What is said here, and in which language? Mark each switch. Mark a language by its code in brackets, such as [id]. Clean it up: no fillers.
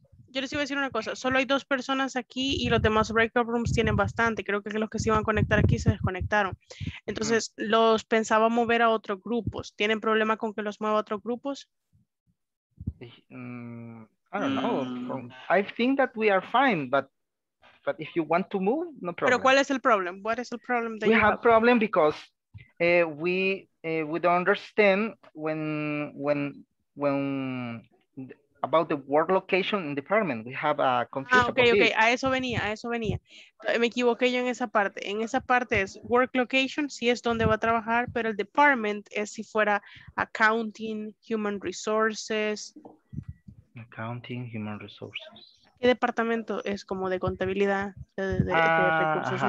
[es] Yo les iba a decir una cosa, solo hay dos personas aquí y los demás breakout rooms tienen bastante. Creo que los que se iban a conectar aquí se desconectaron. Entonces, uh-huh. los pensaba mover a otros grupos. ¿Tienen problema con que los mueva a otros grupos? [en] I don't know. I think that we are fine, but if you want to move, no problem. [es] ¿Pero cuál es el problema? What is the problem that [en] we have problem because we don't understand when about the work location in department. We have a confusion. [es] Ah, okay, okay. A eso venía. Me equivoqué yo en esa parte. En esa parte es work location, sí es donde va a trabajar, pero el department es si fuera accounting, human resources. [en] Accounting, human resources. [es] ¿Qué departamento es como de contabilidad, de recursos uh-huh.